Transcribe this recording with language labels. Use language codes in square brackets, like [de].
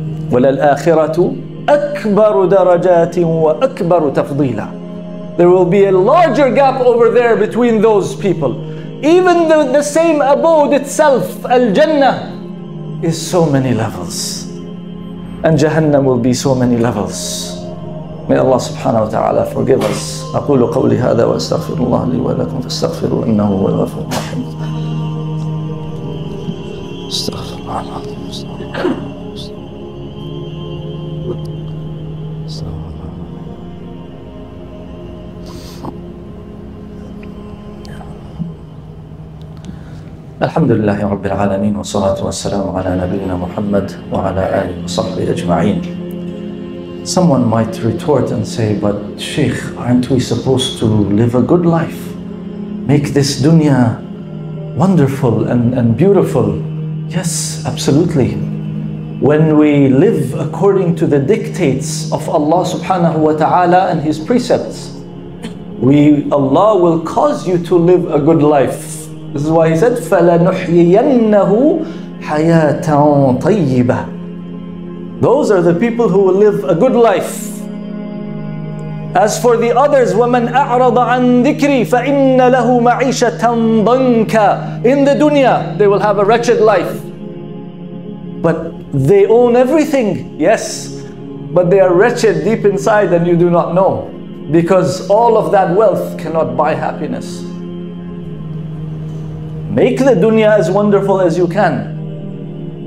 [ar] وَلَلْآخِرَةُ أَكْبَرُ دَرَجَاتٍ وَأَكْبَرُ تَفْضِيلًا. [en] There will be a larger gap over there between those people. Even the same abode itself, Al-Jannah, is so many levels. And Jahannam will be so many levels. May Allah subhanahu wa ta'ala forgive us. [ar] أقول قولي هذا وأستغفر الله لي ولكم فاستغفروا إنه هو الغفور الرحيم. استغفر الله الحمد لله رب العالمين والصلاة والسلام على نبينا محمد وعلى آله وصحبه أجمعين. [en] Someone might retort and say, but Sheikh, aren't we supposed to live a good life? Make this dunya wonderful and beautiful. Yes, absolutely. When we live according to the dictates of Allah subhanahu wa ta'ala and His precepts, Allah will cause you to live a good life. This is why He said, [ar] فَلَنُحْيِيَنَّهُ حَيَاةً طَيِّبَةً. [en] Those are the people who will live a good life. As for the others, [ar] وَمَنْ أَعْرَضَ عَنْ ذِكْرِي فَإِنَّ لَهُ مَعِيشَةً ضَنْكَ. [en] In the dunya, they will have a wretched life. But they own everything, yes. But they are wretched deep inside and you do not know. Because all of that wealth cannot buy happiness. Make the dunya as wonderful as you can.